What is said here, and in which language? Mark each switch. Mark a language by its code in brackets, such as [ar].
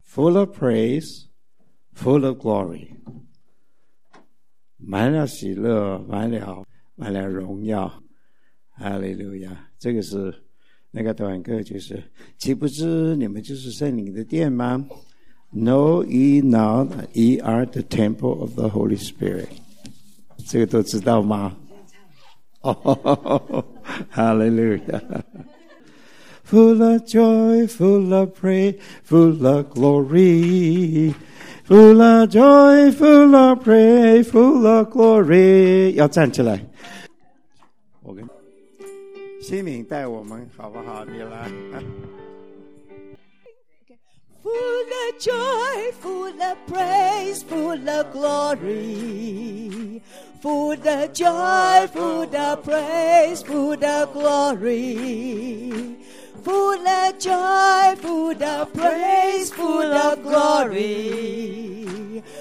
[en] full of praise, full of glory. [zh] 满了喜乐，满了，满了荣耀。哈利路亚。这个是那个短歌，就是岂不知你们就是圣灵的殿吗？ [en] Know ye not that ye are the temple of the Holy Spirit? [zh] 这个都知道吗？哈利路亚。 [en] Full of joy, full of praise, full of glory. Full of joy, full of praise, full of glory. [zh] 要站起来。我跟新敏带我们好不好？你来。 [en] Full of joy, full of praise, full of glory. Full of joy, full of praise, full of glory. Full of joy, full of praise, full of glory.